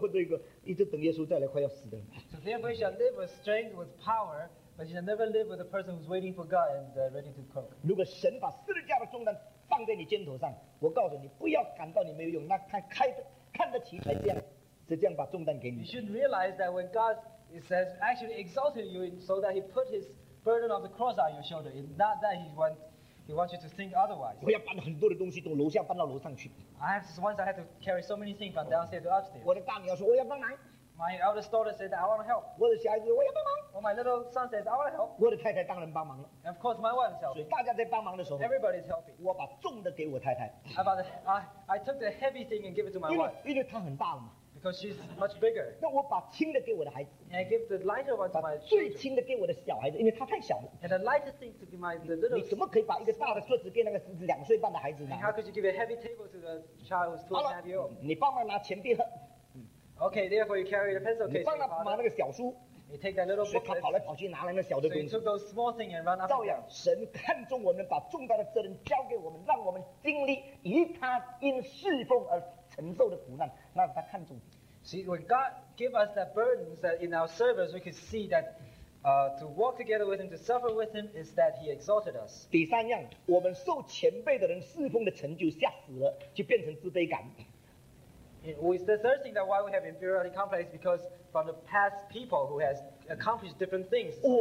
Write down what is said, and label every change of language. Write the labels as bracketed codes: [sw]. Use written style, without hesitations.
[zh] 所以你要活得有能力，活得刚强，活得有意义。你不要活得一个一直等耶稣再来快要死的人。 [en] So therefore, you shall live with strength, with power, but you shall never live with a person who's waiting for God and ready to croak. [zh] 如果神把十字架的重担放在你肩头上，我告诉你，不要感到你没有用，那看得起才这样，是这样把重担给你。 [en] You should realize that when God has actually exalted you, so that He put His burden of the cross on your shoulder, it's not that He wants. He wants you to think otherwise. [zh] 我要搬很多的东西，从楼下搬到楼上去。 [en] I have once I had to carry so many things from downstairs to upstairs. [zh] 我的大女儿说我要帮忙。 [en] My eldest daughter said I want to help. [zh] 我的小孩子说我要帮忙。 [en] Well, my little son says I want to help. [zh] 我的太太当然帮忙了。 [en] And of course my wife is helping. [zh] 所以大家在帮忙的时候， [en] everybody is helping. [zh] 我把重的给我太太。 [en] I took the heavy thing and give it to my wife. [zh] 因为她很大了嘛。 [en] Because she's much bigger. [zh] 那我把轻的给我的孩子, [en] and I give the lighter one to my children. [zh] 把最轻的给我的小孩子, 因为他太小了, [en] and the lighter thing to give my the little. [zh] 你怎么可以把一个大的桌子给那个两岁半的孩子呢? [en] And how could you give a heavy table to the child who's 2.5 years old? [zh] 你帮忙拿钱币盒, [en] okay, therefore you carry the pencil case. [zh] 你帮忙拿那个小书, [en] you take that little book. [zh] 他跑来跑去拿来那小的东西, [en] so you took those small things and run up. [zh] 照样神看重我们, 把重大的责任交给我们, 让我们经历以他因侍奉而 承受的苦难, [en] see, when God gives us that burden, that in our service we can see that to walk together with Him, to suffer with Him, is that He exalted us. [zh] 第三样, 我们受前辈的人侍奉的成就吓死了, [en] it's the third thing that why we have inferiority complex, because from the past people who has accomplished different things,